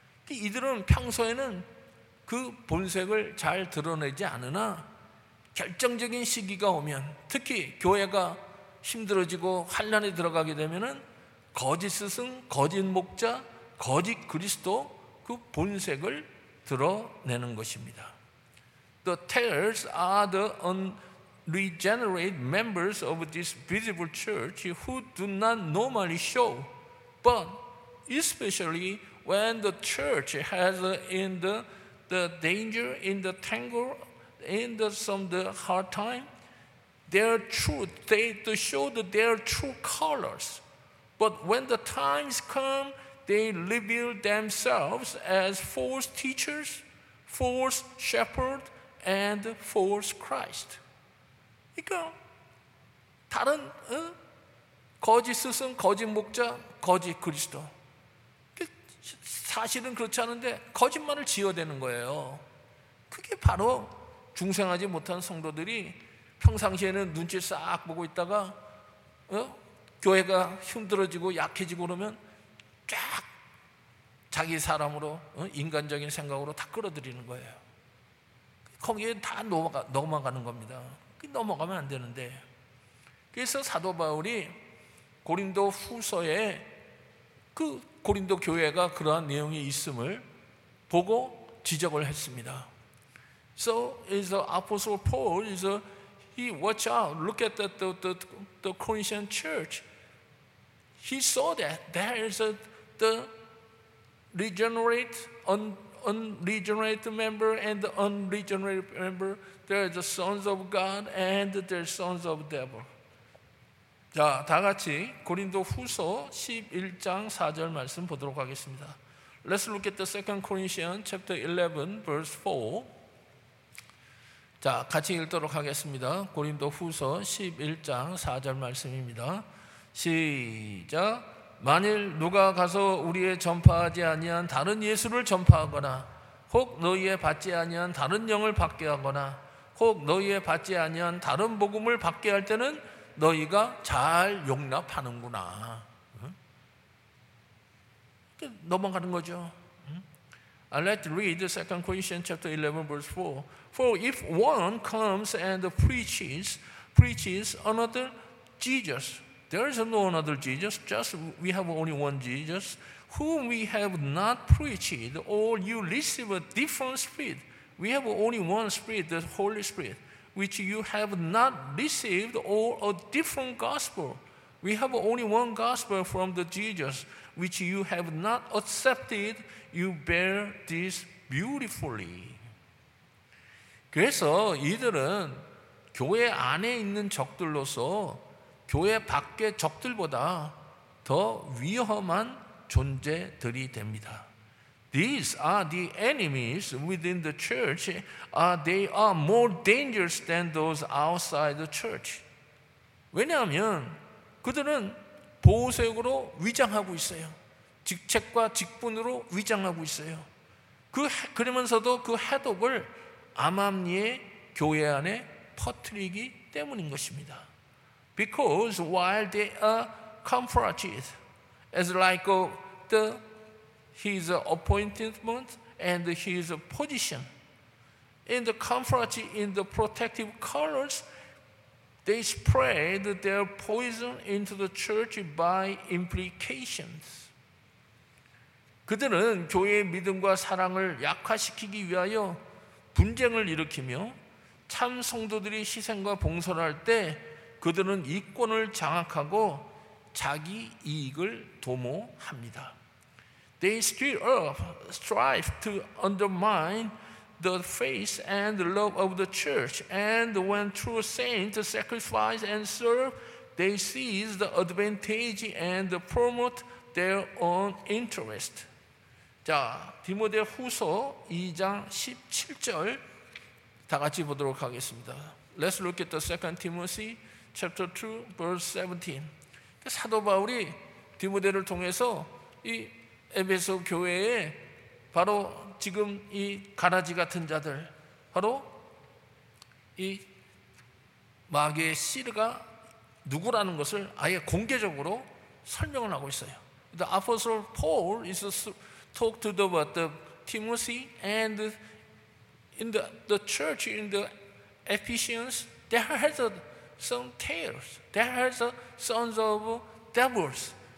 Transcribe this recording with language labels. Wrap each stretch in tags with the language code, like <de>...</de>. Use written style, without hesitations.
<ko>이들은 평소에는 그 본색을 잘 드러내지 않으나 결정적인 시기가 오면 특히 교회가 힘들어지고 환란에 들어가게 되면은 거짓 스승, 거짓 목자, 거짓 그리스도 그 본색을 드러내는 것입니다.</ko> <en>The tares are the unregenerate members of this visible church who do not normally show, but especially when the church has in the danger, in the tangle, in the some the hard time, their truth, they show their true colors. But when the times come, they reveal themselves as false teachers, false shepherd, and false Christ.</en> <ko>그러니까 다른 거짓 스승, 거짓 목자, 거짓 그리스도. 사실은 그렇지 않은데 거짓말을 지어대는 거예요. 그게 바로 중생하지 못한 성도들이 평상시에는 눈치 싹 보고 있다가 교회가 힘들어지고 약해지고 그러면 쫙 자기 사람으로 인간적인 생각으로 다 끌어들이는 거예요. 거기에 다 넘어가는 겁니다. 넘어가면 안 되는데. 그래서 사도 바울이 고린도 후서에 그 고린도 교회가 그러한 내용이 있음을 보고 지적을 했습니다.</ko> <en>So is the apostle Paul is a, he watch out, look at the Corinthian church. He saw that there is a, the regenerate unregenerate member and the unregenerate member. There are the sons of God and there are sons of devil.</en> <ko>자, 다 같이 고린도 후서 11장 4절 말씀 보도록 하겠습니다.</ko> <en>Let's look at the second Corinthians chapter 11 verse 4.</en> <ko>자, 같이 읽도록 하겠습니다. 고린도 후서 11장 4절 말씀입니다. 시작. 만일 누가 가서 우리의 전파하지 아니한 다른 예수를 전파하거나 혹 너희의 받지 아니한 다른 영을 받게 하거나 혹 너희의 받지 아니한 다른 복음을 받게 할 때는 너희가 잘 용납하는구나. 넘어가는 거죠.</ko> <en>Let's read the second Corinthians chapter 11 verse 4. For if one comes and preaches another Jesus, there is no another Jesus, just we have only one Jesus, whom we have not preached, or you receive a different spirit. We have only one spirit, the Holy Spirit. Which you have not received, or a different gospel. We have only one gospel from the Jesus, which you have not accepted. You bear this beautifully.</en> <ko>그래서 이들은 교회 안에 있는 적들로서 교회 밖의 적들보다 더 위험한 존재들이 됩니다.</ko> <en>These are the enemies within the church. They are more dangerous than those outside the church.</en> <ko>왜냐하면 그들은 보호색으로 위장하고 있어요. 직책과 직분으로 위장하고 있어요. 그러면서도 그 해독을 암암리의 교회 안에 퍼뜨리기 때문인 것입니다.</ko> <en>Because while they are comforted as like the His appointment and his position. In the comfort, in the protective colors, they spread their poison into the church by implications.</en> <ko>그들은 교회의 믿음과 사랑을 약화시키기 위하여 분쟁을 일으키며 참 성도들이 희생과 봉사를 할 때 그들은 이권을 장악하고 자기 이익을 도모합니다.</ko> <en>They stir up strife to undermine the faith and love of the church. And when true saints sacrifice and serve, they seize the advantage and promote their own interest.</en> <ko>자, 디모데후서 2장 17절 다 같이 보도록 하겠습니다.</ko> <en>Let's look at the 2 Timothy chapter 2 verse 17.</en> <ko>사도 바울이 디모데를 통해서 이 에베소 교회에 바로 지금 이 가라지 같은 자들, 바로 이 마귀의 씨가 누구라는 것을 아예 공개적으로 설명을 하고 있어요.</ko> <en>The apostle Paul is talked to about the Timothy and in the church in the Ephesians, there has some tares, there has sons of devils.</en>